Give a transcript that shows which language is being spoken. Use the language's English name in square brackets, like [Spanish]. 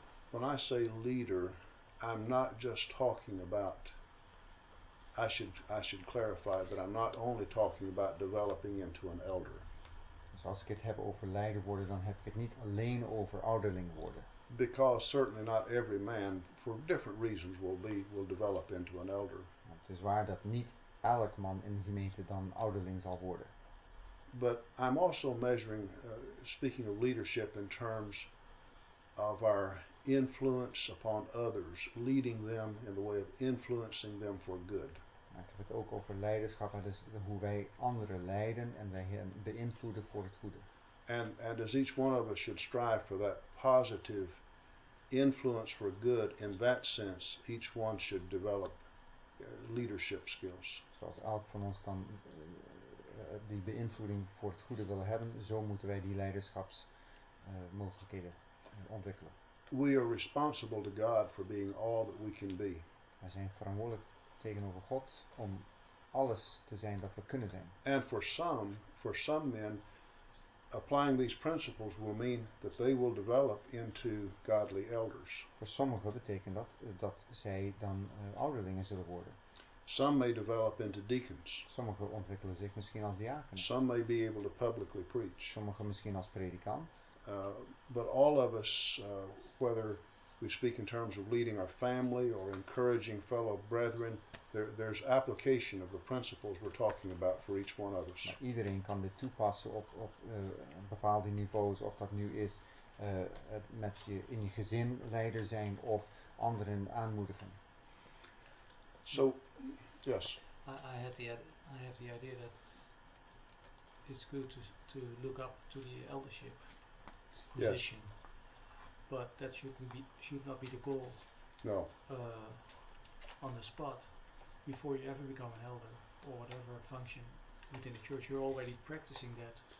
[English] When I say leader, I'm not just talking about. I should clarify that I'm not only talking about developing into an elder. [Dutch] So als ik het heb over leider worden, dan heb ik het niet alleen over ouderling worden. [English] Because certainly not every man, for different reasons, will develop into an elder. [Dutch] Het is waar dat niet elk man in de gemeente dan ouderling zal worden. [English] But I'm also measuring, speaking of leadership in terms of our influence upon others, leading them in the way of influencing them for good. [Dutch] Ik heb het ook over leiderschap, dus hoe wij anderen leiden en wij hen beïnvloeden voor het goede. [English] And as each one of us should strive for that positive influence for good. In that sense, each one should develop leadership skills. [Dutch] Zoals elk van ons dan die beïnvloeding voor het goede willen hebben, zo moeten wij die leiderschapsmogelijkheden ontwikkelen. [English] We are responsible to God for being all that we can be. [Dutch] Wij zijn verantwoordelijk tegenover God om alles te zijn dat we kunnen zijn. [English] And for some men, applying these principles will mean that they will develop into godly elders. [Dutch] Voor sommigen betekent dat zij dan ouderlingen zullen worden. [English] Some may develop into deacons. [Dutch] Sommigen ontwikkelen zich misschien als diaken. [English] Some may be able to publicly preach. [Dutch] Sommigen misschien als predikant. [English] But all of us, whether we speak in terms of leading our family or encouraging fellow brethren, there's application of the principles we're talking about for each one of us. [Dutch] Maar iedereen kan dit toepassen op bepaalde niveaus, of dat nu is met je in je gezin leider zijn of anderen aanmoedigen. [English] So, yes. I have the idea that it's good to look up to the eldership position. Yes. But that should not be the goal. No. On the spot, before you ever become an elder or whatever function within the church, you're already practicing that.